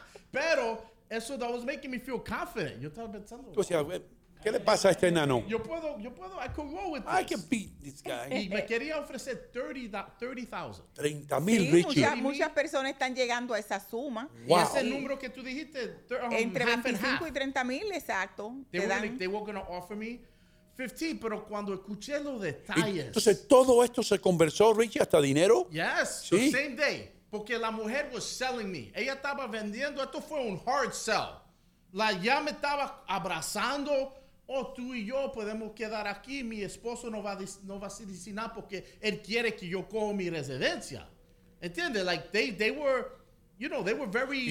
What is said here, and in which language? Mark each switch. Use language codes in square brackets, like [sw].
[es] Pero eso, [en] that was making me feel confident. [es] Yo estaba pensando, o sea, ¿qué le pasa a este enano? Yo puedo, [en] I could roll with this. I can beat this guy. [es] Y me quería ofrecer 30,000. 30 mil, sí, Richie. Muchas personas están llegando a esa suma. Wow. Y ese número que tú dijiste, entre 25 y 30 mil, exacto. [en] They were going to offer me 15, [es] pero cuando escuché los detalles. Entonces, todo esto se conversó, Richie, hasta dinero. [en] Yes, sí. The same day. [es] Porque la mujer [en] was selling me. [es] Ella estaba vendiendo. Esto fue un [en] hard sell. [es] La ya me estaba abrazando. Oh, tú y yo podemos quedar aquí. Mi esposo no va a decir nada porque él quiere que yo coja mi residencia. ¿Entiendes? [en] Like, they were, you know, they were very...